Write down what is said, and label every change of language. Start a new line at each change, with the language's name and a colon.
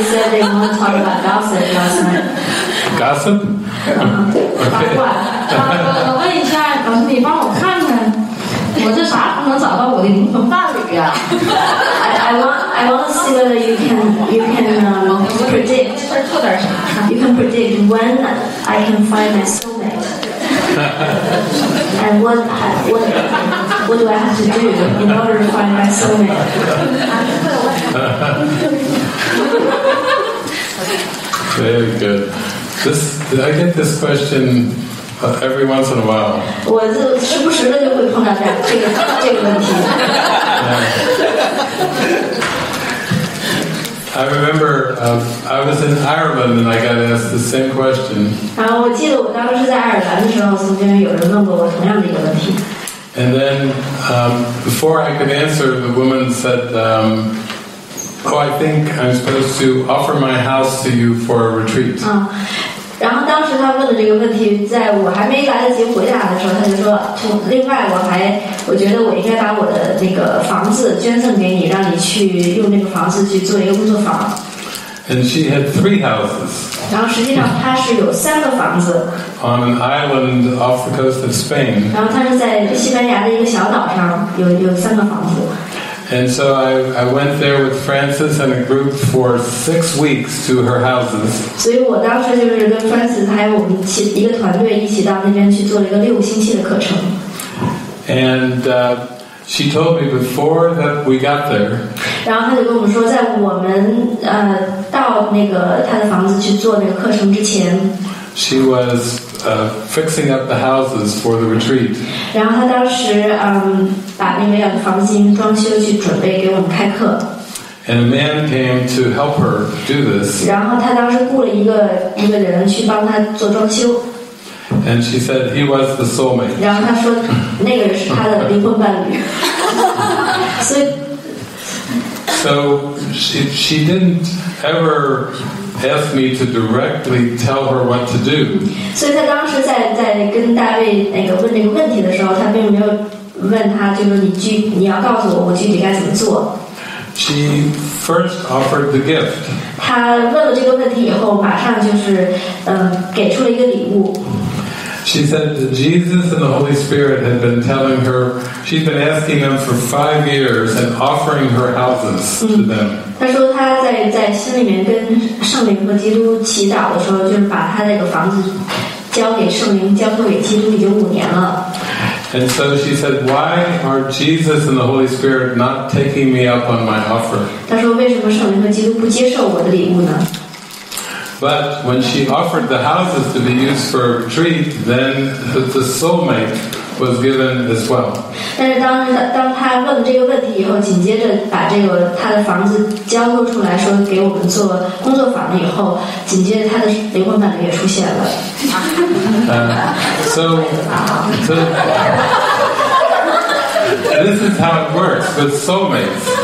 English: said they want to talk about gossip last night. Gossip?
Chinese: 八卦。我问一下，老师，你帮我看看，我这啥时候能找到我的灵魂伴侣呀？
English: I want to see whether you can predict when I can find my soulmate. And what do I have to do in order to find my soulmate? Very good. I get this question every once in a while.
Chinese: 我这时不时的就会碰到这个问题。
English: I remember I was in Ireland and I got asked the same question.
Chinese: 我记得我当时在爱尔兰的时候，曾经有人问过我同样的一个问题。
English: And then before I could answer, the woman said, I think I'm supposed to offer my house to you for a retreat.
Chinese: 然后当时他问的这个问题，在我还没来得及回答的时候，他就说，另外我觉得我应该把我的那个房子捐赠给你，让你去用那个房子去做一个工作房。
English: And she had three houses.
Chinese: 然后实际上她是有三个房子。
English: On an island off the coast of Spain.
Chinese: 然后她是在西班牙的一个小岛上，有三个房子。
English: And so I went there with Francis and a group for 6 weeks to her houses.
Chinese: 所以我当时就是跟 Francis 还有我们一个团队一起到那边去做了一个六星期的课程。
English: And she told me before that we got there.
Chinese: 然后他就跟我们说，在我们到那个他的房子去做那个课程之前。
English: She was fixing up the houses for the retreat.
Chinese: 然后他当时把那个要的房子进行装修，去准备给我们开课。
English: And a man came to help her do this.
Chinese: 然后他当时雇了一个人去帮他做装修。
English: And she said he was the soulmate.
Chinese: 然后他说那个是他的灵魂伴侣。所以。
English: So she didn't ever ask me to directly tell her what to do.
Chinese: 所以她当时在跟大卫那个问这个问题的时候，她并没有问他，就是你要告诉我，我具体该怎么做。
English: She first offered the gift.
Chinese: 她问了这个问题以后，马上就是给出了一个礼物。
English: She said that Jesus and the Holy Spirit had been telling her, she'd been asking them for 5 years and offering her houses to them.
Chinese: 她说她在心里面跟圣灵和基督祈祷的时候，就是把她那个房子交给圣灵，交托给基督已经5年了。
English: And so she said, why are Jesus and the Holy Spirit not taking me up on my offer?
Chinese: 她说为什么圣灵和基督不接受我的礼物呢？
English: But when she offered the houses to be used for retreat, then the soulmate was given as well.
Chinese: 但是当他问这个问题以后，紧接着把这个他的房子交付出来，说给我们做工作坊以后，紧接着他的灵魂伴侣也出现了。
English: So this is how it works with soulmates.